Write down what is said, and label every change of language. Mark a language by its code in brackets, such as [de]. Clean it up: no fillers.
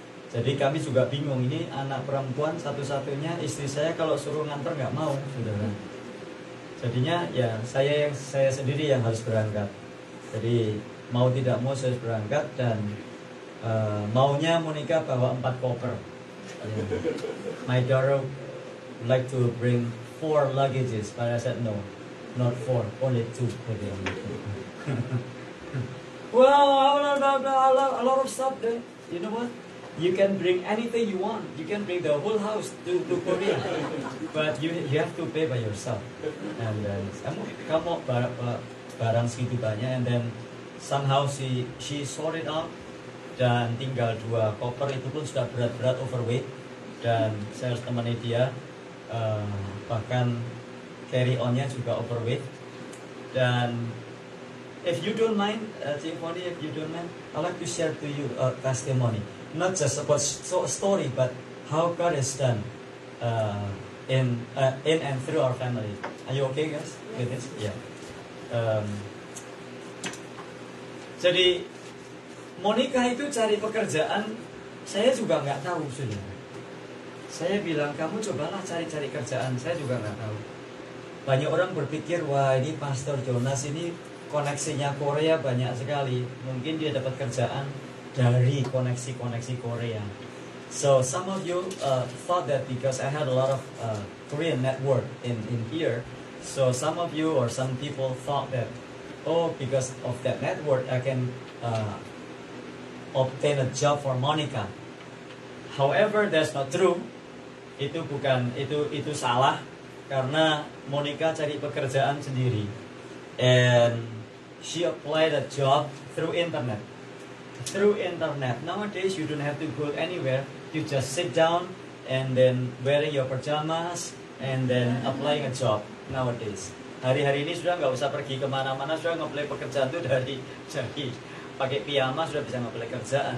[id] Jadi kami juga bingung, ini anak perempuan satu-satunya, istri saya kalau suruh nganter gak mau, saudara. Jadinya ya saya sendiri yang harus berangkat. Jadi mau tidak mau saya berangkat dan maunya Monica bawa 4 koper. [en] My daughter would like to bring 4 luggages, but I said no, not 4, only 2 for the only. Well, a lot of stuff there. You know what? You can bring anything you want. You can bring the whole house to Korea. But you have to pay by yourself. And [id] kamu barang segitu banyak. [en] And then somehow she sorted out. [id] Dan tinggal 2 koper itu pun sudah berat-berat, overweight. Dan saya harus temani dia. Bahkan carry on-nya juga overweight. [en] Dan if you don't mind, Tiffany, if you don't mind, I'd like to share to you a testimony. Not just about story, but how God has done in and through our family. Are you okay, guys? Yes. With this? Yeah. [id] Jadi, Monica itu cari pekerjaan, saya juga gak tahu, sudah. Saya bilang, kamu cobalah cari-cari kerjaan, saya juga gak tahu. Banyak orang berpikir, wah ini Pastor Jonas ini koneksinya Korea banyak sekali. Mungkin dia dapat kerjaan dari koneksi-koneksi Korea. [en] So some of you thought that because I had a lot of Korean network in here, so some of you or some people thought that, oh, because of that network, I can obtain a job for Monica. However, that's not true. [id] Itu bukan, itu salah, karena Monica cari pekerjaan sendiri. [en] And she applied a job through internet. Through internet. Nowadays, you don't have to go anywhere. You just sit down and then wearing your pajamas and then applying a job nowadays. [id] Hari-hari ini sudah nggak usah pergi kemana-mana, sudah nge-play pekerjaan itu dari pakai piyama sudah bisa nge-play kerjaan.